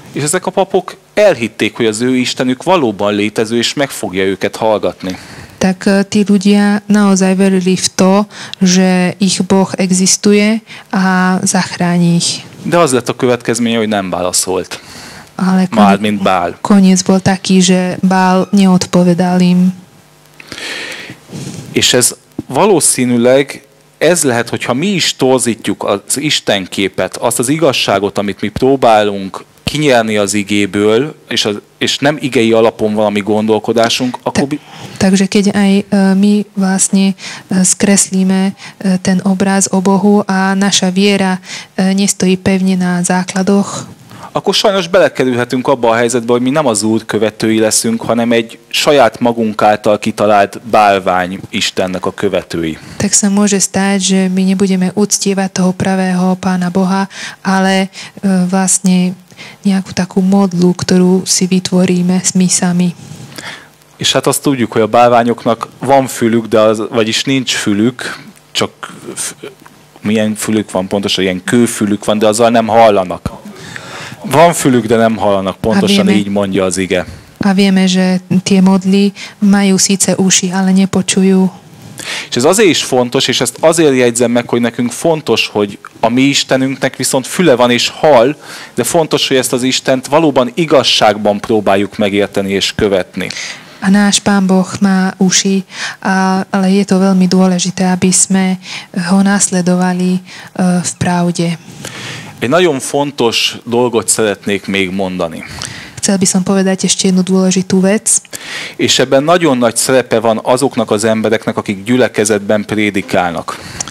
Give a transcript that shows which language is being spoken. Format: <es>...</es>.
<hu>És ezek a papok elhitték, hogy az ő istenük valóban létező, és meg fogja őket hallgatni.</hu> <sk>Tak tí ľudia naozaj verili v to, že ich Boh existuje a zachráni ich.</sk> <hu>De az lett a következménye, hogy nem válaszolt.</hu> <sk>Ale koniec bol taký, že Bál neodpovedal im.</sk> <hu>És ez valószínűleg ez lehet, hogyha mi is torzítjuk az Isten képet, azt az igazságot, amit mi próbálunk kinyerni az igéből, és nem igei alapon valami gondolkodásunk, akkor...</hu> <sk>Takže keď aj my vlastne skreslíme ten obraz o Bohu a naša viera nestojí pevne na základoch,</sk> <hu>akkor sajnos belekerülhetünk abba a helyzetbe, hogy mi nem az Úr követői leszünk, hanem egy saját magunk által kitalált bálvány Istennek a követői.</hu> <sk>Tak sa môže stať, že my nebudeme uctievať toho pravého Pána Boha, ale vlastne nejakú takú modlu, ktorú si vytvoríme my sami.</sk> <hu>És hát azt tudjuk, hogy a bálványoknak van fülük, de vagyis nincs fülük, csak milyen fülük van, pontosan ilyen kőfülük van, de azzal nem hallanak. Van fülük, de nem hallanak, pontosan így mondja az ige.</hu> <sk>A vieme, že tie modly majú síce uši, ale nepočujú.</sk> <hu>És ez azért is fontos, és ezt azért jegyzem meg, hogy nekünk fontos, hogy a mi Istenünknek viszont füle van és hall, de fontos, hogy ezt az Istent valóban igazságban próbáljuk megérteni és követni.</hu> <sk>A náš Pán Boh má uši, ale je to veľmi dôležité, aby sme ho nasledovali v pravde.</sk> <hu>Egy nagyon fontos dolgot szeretnék még mondani.</hu> <sk>Chcel by som povedať ešte jednu dôležitú vec.</sk> <hu>És ebben nagyon nagy szerepe van azoknak az embereknek, akik gyülekezetben prédikálnak.</hu>